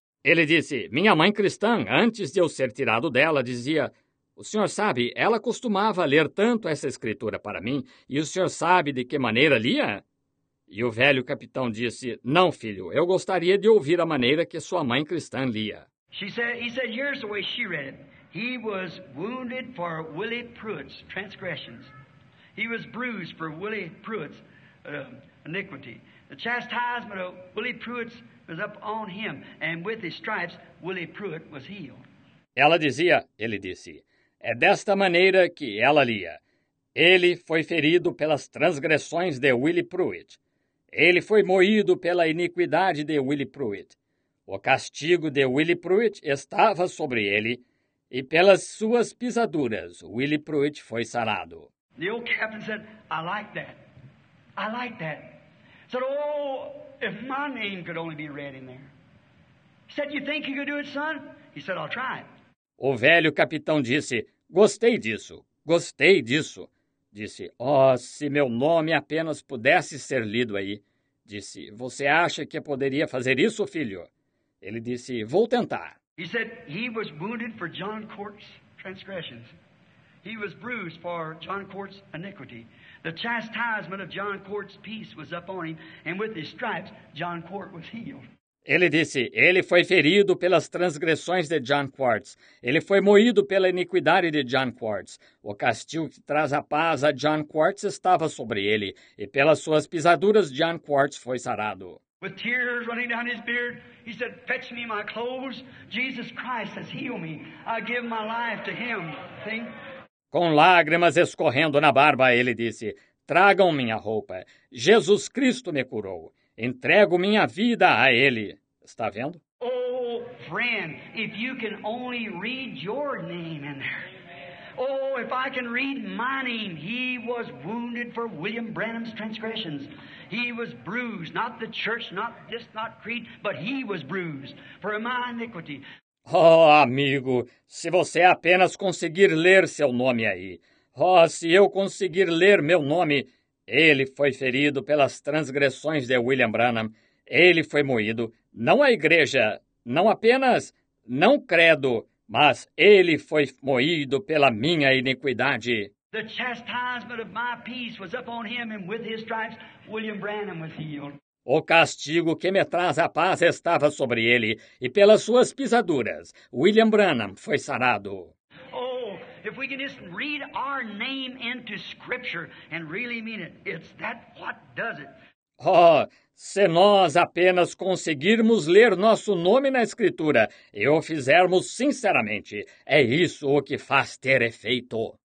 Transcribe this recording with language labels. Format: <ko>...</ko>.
<pt>Ele disse, "Minha mãe cristã, antes de eu ser tirado dela, dizia, o senhor sabe, ela costumava ler tanto essa escritura para mim, e o senhor sabe de que maneira lia?" E o velho capitão disse, "Não, filho, eu gostaria de ouvir a maneira que sua mãe cristã lia."</pt> <en>He said, "Here's the way she read it. He was wounded for Willie Pruitt's transgressions. He was bruised for Willie Pruitt's iniquity. The chastisement of Willie Pruitt's was up on him, and with his stripes, Willie Pruitt was healed."</en> <pt>Ela dizia, ele disse, "É desta maneira que ela lia. Ele foi ferido pelas transgressões de Willie Pruitt. Ele foi moído pela iniquidade de Willie Pruitt. O castigo de Willie Pruitt estava sobre ele, E pelas suas pisaduras, Willie Pruitt foi sarado.</pt> <en>The old captain said, I like that. I like that. He said, oh, if my name could only be read in there. He said, you think you could do it, son? He said, I'll try it.</en> <pt>O velho capitão disse, gostei disso, gostei disso. Disse, oh, se meu nome apenas pudesse ser lido aí. Disse, você acha que poderia fazer isso, filho? Ele disse, vou tentar.</pt> <en>He said he was wounded for John Court's transgressions. He was bruised for John Court's iniquity. The chastisement of John Court's peace was upon him, and with his stripes, John Court was healed.</en> <pt>Ele disse, ele foi ferido pelas transgressões de John Quartz. Ele foi moído pela iniquidade de John Quartz. O castigo que traz a paz a John Quartz estava sobre ele, e pelas suas pisaduras, John Quartz foi sarado.</pt> <en>With tears running down his beard, he said, fetch me my clothes. Jesus Christ has healed me. I give my life to him. See?</en> <pt>Com lágrimas escorrendo na barba, ele disse, tragam minha roupa. Jesus Cristo me curou. Entrego minha vida a ele. Está vendo?</pt> <en>Oh, friend, if you can only read your name in there. Oh, if I can read my name. He was wounded for William Branham's transgressions. He was bruised, not the church, not this, not creed, but he was bruised for my iniquity.</en> <pt>Oh, amigo, se você apenas conseguir ler seu nome aí. Oh, se eu conseguir ler meu nome. Ele foi ferido pelas transgressões de William Branham. Ele foi moído. Não a igreja, não apenas, não credo, mas ele foi moído pela minha iniquidade.</pt> <en>The chastisement of my peace was upon him, and with his stripes, William Branham was healed.</en> <pt>O castigo que me traz a paz estava sobre ele, e pelas suas pisaduras, William Branham foi sarado.</pt> <en>If we can just read our name into Scripture and really mean it, it's that what does it.</en> <pt>Oh, se nós apenas conseguirmos ler nosso nome na Escritura e o fizermos sinceramente, é isso o que faz ter efeito.</pt>